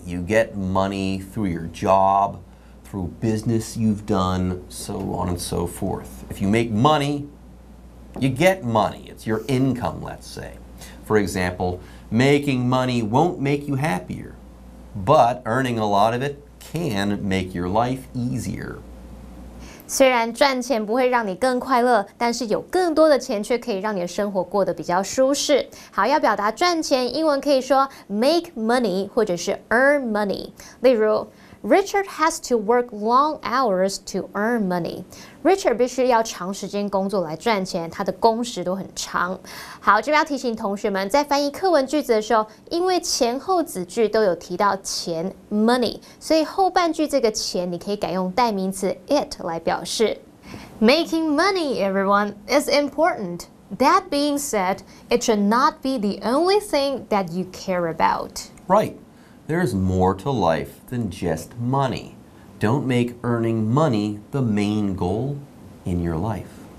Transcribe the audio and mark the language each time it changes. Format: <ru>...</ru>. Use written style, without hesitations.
<en>You get money through your job, through business you've done, so on and so forth. If you make money, you get money. It's your income, let's say. For example, making money won't make you happier, but earning a lot of it can make your life easier.</en> <zh>虽然赚钱不会让你更快乐，但是有更多的钱却可以让你的生活过得比较舒适。好，要表达赚钱，英文可以说 make money 或者是 earn money。</zh> <en>例如 ，Richard has to work long hours to earn money。</en> <zh>Richard 必须要长时间工作来赚钱，他的工时都很长。好，这边要提醒同学们，在翻译课文句子的时候，因为前后子句都有提到钱 money， 所以后半句这个钱你可以改用代名词 it 来表示。</zh> <en>Making money, everyone, is important. That being said, it should not be the only thing that you care about. Right. There's more to life than just money. Don't make earning money the main goal in your life.</en>